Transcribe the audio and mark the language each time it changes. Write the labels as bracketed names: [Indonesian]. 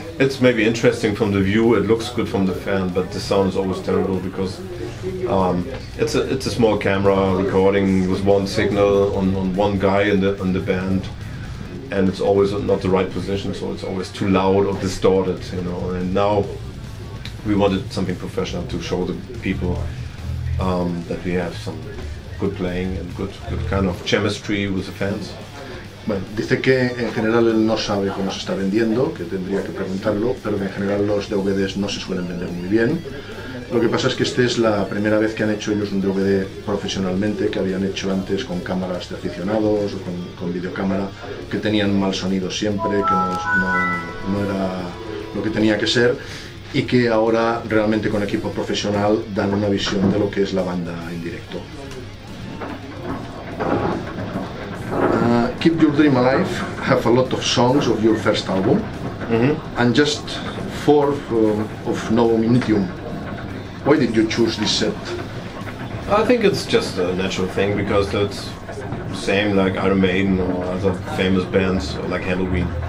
[English] It's maybe interesting from the view, it looks good from the fan, but the sound is always terrible because it's a small camera recording with one signal on one guy in the band, and it's always not the right position, so it's always too loud or distorted, you know. And now we wanted something professional to show the people that we have some good playing and good kind of chemistry with the fans. [Spanish] Bueno, dice que en general él no sabe cómo se está vendiendo, que tendría que preguntarlo, pero que en general los DVDs no se suelen vender muy bien. Lo que pasa es que esta es la primera vez que han hecho ellos un DVD profesionalmente, que habían hecho antes con cámaras de aficionados o con videocámara, que tenían mal sonido siempre, que no era lo que tenía que ser, y que ahora realmente con equipo profesional dan una visión de lo que es la banda en directo. [English] Keep Your Dream Alive have a lot of songs of your first album, mm-hmm. and just four of Novum Initium. Why did you choose this set? I think it's just a natural thing, because that's the same like Iron Maiden or other famous bands like Halloween.